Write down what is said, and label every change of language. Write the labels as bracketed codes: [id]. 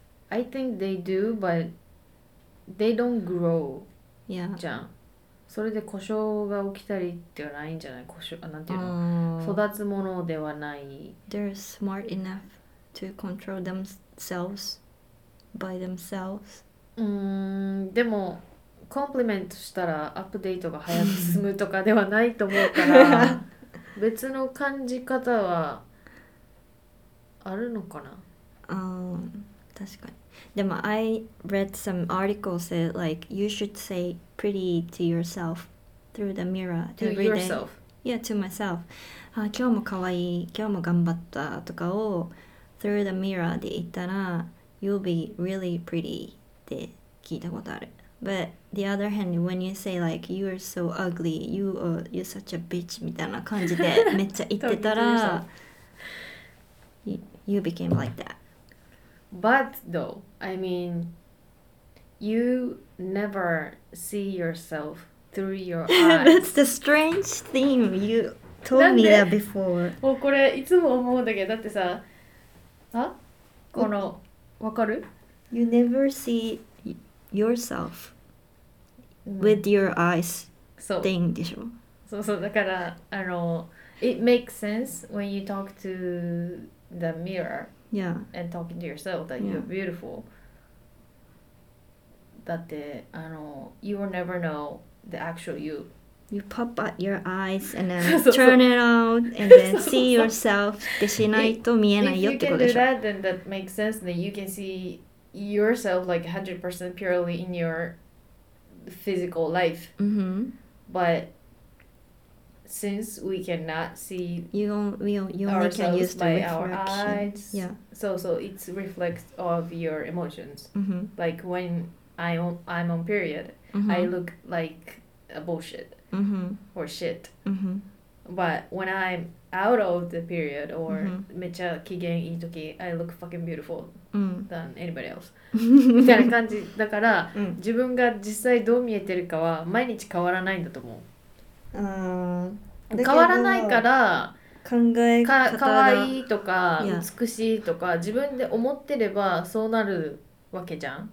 [en] I think they do, but they don't grow. Yeah. [ja] じゃん。それで故障が起きたりってはないんじゃない？故障、なんていうの？育つものではない。 [en] They're smart enough to control themselves by themselves. [ja] でも、コンプリメントしたらアップデートが早く進むとかではないと思うから、別の感じ方はあるのかな？確かに。でも、 [en] I read some articles that like, you should say pretty to yourself through the mirror. To yourself. Yeah, to myself. [ja] あ、今日も可愛い、今日も頑張ったとかを [en] through the mirror [ja] で言ったら、 [en] you'll be really pretty [ja] って聞いたことある。 [en] But the other hand, when you say like, you are so ugly, you're such a bitch [ja] みたいな感じでめっちゃ言ってたら、 [en] you became like that. But though, I mean, you never see yourself through your eyes. That's the strange thing you told me that before. [ja] もうこれいつも思うんだけど、だってさ、あ、このわかる？ [en] You never see yourself with your eyes thing [ja] でしょ？そうそう、だからあの、 [en] it makes sense when you talk to the mirror. Yeah. And talking to yourself that you're beautiful. [ja] だってあの [en] you will never know the actual you. You pop out your eyes and then turn it out and then see yourself. [ja] ってしないと見えないよってことでしょ。 [en] If you can do that, then that makes sense. Then you can see yourself like 100% purely in your physical life. Mm-hmm. But since we cannot see you only can use the reflection. Eyes, yeah. So it's reflect of your emotions. Mm-hmm. Like when I'm on period, mm-hmm. I look like a bullshit mm-hmm. or shit. Mm-hmm. But when I'm out of the period or [ja] めっちゃ機嫌いい時 [en] I look fucking beautiful than anybody else. [ja] みたいな感じだから、自分が実際どう見えてるかは毎日変わらないんだと思う。変わらないから考え方が可愛いとか美しいとか自分で思ってればそうなるわけじゃん、